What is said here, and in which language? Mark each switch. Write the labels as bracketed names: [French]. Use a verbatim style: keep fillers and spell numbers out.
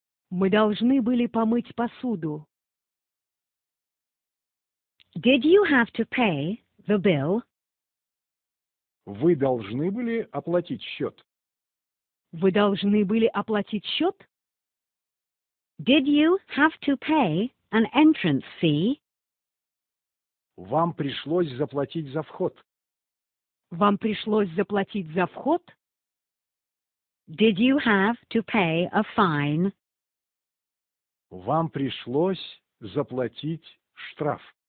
[Russian] Мы должны были помыть посуду. [English] Did you have to pay the bill? [Russian] Вы должны были оплатить счет. Вы должны были оплатить счет? [English] Did you have to pay an entrance fee? [Russian] Вам пришлось заплатить за вход. Вам пришлось заплатить за вход? [English] Did you have to pay a fine? [Russian] Вам пришлось заплатить штраф.